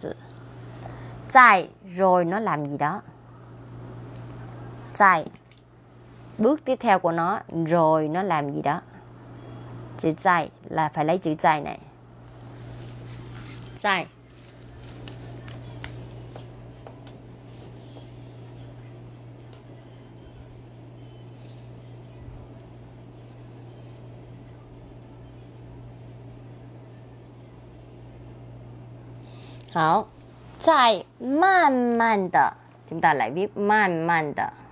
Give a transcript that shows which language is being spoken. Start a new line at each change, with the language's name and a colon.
Chinese: 吐出细丝，在慢慢的为自己编结出一个小小的房子。在
Vietnamese: rồi nó làm gì đó. 在 bước tiếp theo của nó, rồi nó làm gì đó. Chữ 在 là phải lấy chữ 在 này.
Chinese: 在 好, 在慢慢的,
Vietnamese: chúng ta lại viết 慢慢的.